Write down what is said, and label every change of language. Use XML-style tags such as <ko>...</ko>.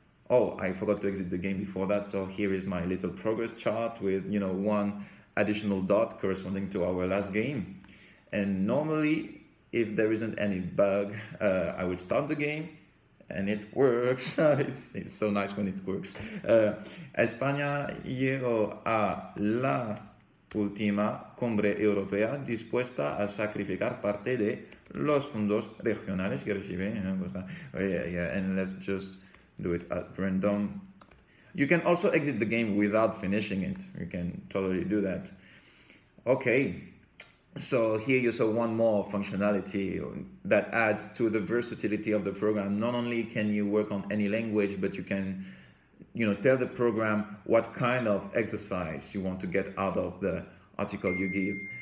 <en>Oh, I forgot to exit the game before that, so here is my little progress chart with, you know, one additional dot corresponding to our last game. And normally, if there isn't any bug, I would start the game, and it works. it's so nice when it works.</en> <es>España llegó a la última cumbre europea dispuesta a sacrificar parte de los fondos regionales que recibe.</es> <en>And let's just do it at random. You can also exit the game without finishing it. You can totally do that. Okay, so here you saw one more functionality that adds to the versatility of the program. Not only can you work on any language, but you can, you know, tell the program what kind of exercise you want to get out of the article you give.</en>